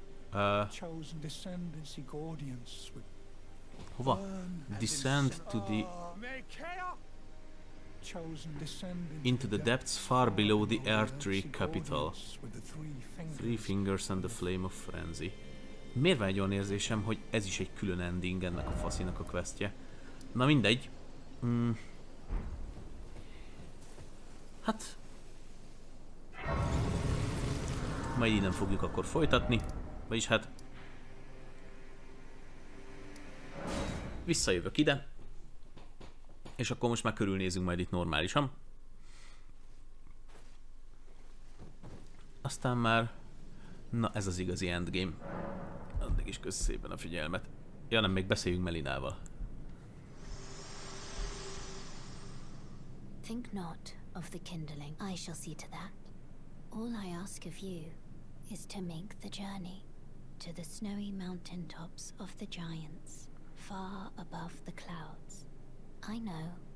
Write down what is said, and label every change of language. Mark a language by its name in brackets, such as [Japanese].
[English] Chosen, descend and seek audience with. [Hungarian] Hova? [English] Descend to the. May chaos. Chosen, descend into the depths far below the Earth Tree capital. Three fingers and the flame of frenzy. [Hungarian] Miért van egy olyan érzésem, hogy ez is egy külön ending ennek a faszinak a questje? Na mindegy. Hát... Majd innen fogjuk akkor folytatni. Vagyis hát... Visszajövök ide. És akkor most már körülnézünk majd itt normálisan. Aztán már... Na, ez az igazi endgame. Addig is kösz szépen a figyelmet. Ja nem, még beszéljünk Melinával. [English] Think not of the kindling. I shall see to that. All I ask of you is to make the journey to the snowy mountaintops of the giants, far above the clouds. I know.